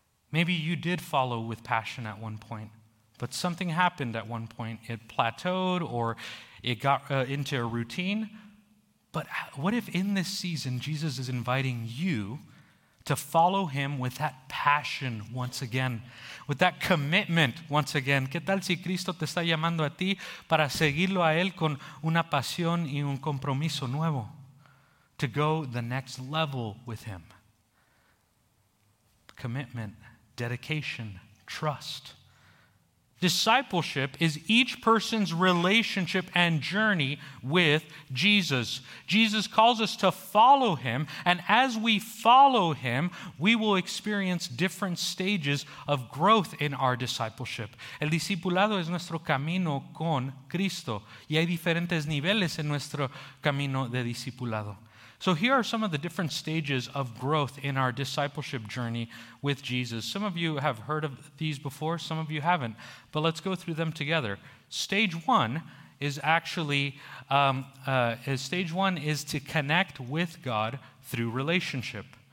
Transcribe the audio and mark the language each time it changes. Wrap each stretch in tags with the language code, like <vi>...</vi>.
<en>Maybe you did follow with passion at one point, but something happened at one point. It plateaued or it got into a routine. But what if in this season, Jesus is inviting you to follow Him with that passion once again, with that commitment once again?</en> <es>¿Qué tal si Cristo te está llamando a ti para seguirlo a Él con una pasión y un compromiso nuevo?</es> <en>To go the next level with Him. Commitment, dedication, trust. Discipleship is each person's relationship and journey with Jesus. Jesus calls us to follow Him, and as we follow Him, we will experience different stages of growth in our discipleship.</en> <es>El discipulado es nuestro camino con Cristo, y hay diferentes niveles en nuestro camino de discipulado.</es> <en>So here are some of the different stages of growth in our discipleship journey with Jesus. Some of you have heard of these before, some of you haven't, but let's go through them together. Stage one is actually, stage one is to connect with God through relationship.</en>